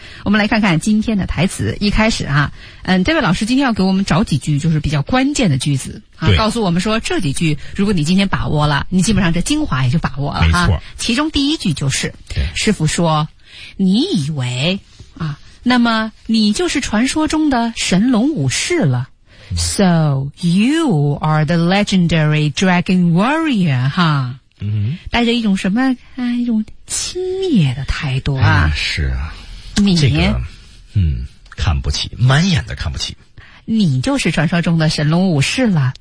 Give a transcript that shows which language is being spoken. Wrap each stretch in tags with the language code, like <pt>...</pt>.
<zh>我们来看看今天的台词。一开始啊，嗯，这位老师今天要给我们找几句就是比较关键的句子啊，告诉我们说这几句如果你今天把握了，你基本上这精华也就把握了哈。没错，其中第一句就是师傅说，你以为啊，那么你就是传说中的神龙武士了。</zh> <en>So, you are the legendary dragon warrior, 哈，</en> <zh>嗯，带着一种什么，啊，一种轻蔑的态度啊。啊，是啊。你，这个，嗯，看不起，满眼的看不起。你就是传说中的神龙武士了。</zh>